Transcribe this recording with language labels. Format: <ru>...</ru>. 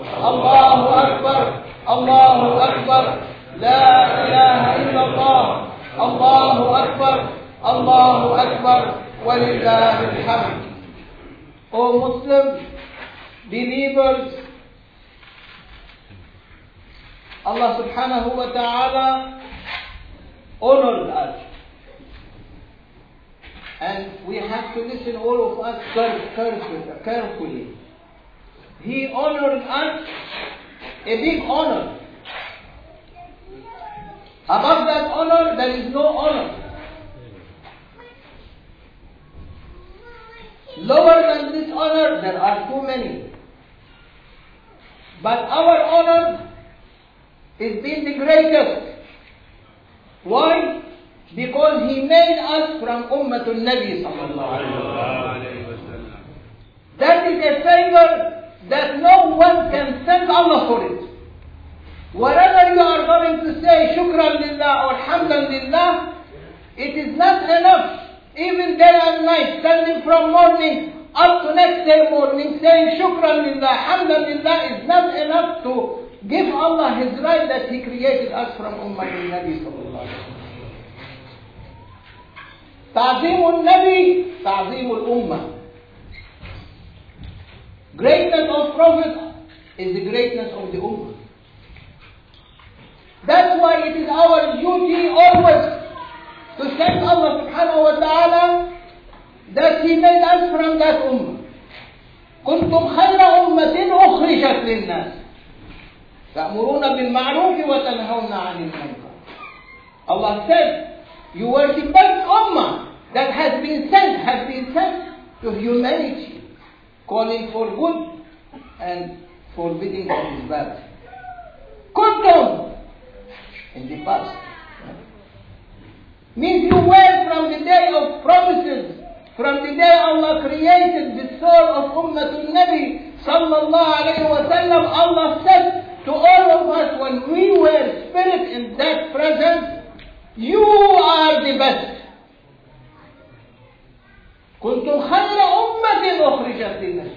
<ar>الله أكبر الله أكبر لا إله إلا الله الله أكبر الله أكبر ولله الحمد</ar> <en>O Muslims, believers, Allah subhanahu wa ta'ala honor us. And we have to listen, all of us, carefully. He honored us, a big honor. Above that honor, there is no honor. Lower than this honor, there are too many. But our honor is being the greatest. Why? Because he made us from Ummatul Nabi sallallahu alayhi wa sallam. That is a favor that no one can thank Allah for it. Whatever you are going to say, shukran lillah or alhamdulillah, it is not enough, even day and night, standing from morning up to next day morning, saying shukran lillah, alhamdulillah, is not enough to give Allah his right that he created us from Ummatul Nabi sallallahu alayhi wa sallam.</en> <ar>تعظيم النبي تعظيم الأمة.</ar> <en>Greatness of Prophet is the greatness of the Ummah. That's why it is our duty always to thank Allah subhanahu wa ta'ala that He made us from that Ummah.</en> <ar>كنتم خير أمة أخرجت للناس تأمرون بالمعروف وتنهون عن المنكر.</ar> <en>Allah said, you were the best Ummah that has been sent to humanity, calling for good and forbidding what is bad. Kuntum in the past means you were from the day of promises, from the day Allah created the soul of Ummatul Nabi sallallahu alayhi wa sallam. Allah said to all of us, when we were spirit in that presence, you are the best.</en> <ar>كنتم خير أمة أخرجت للناس.</ar>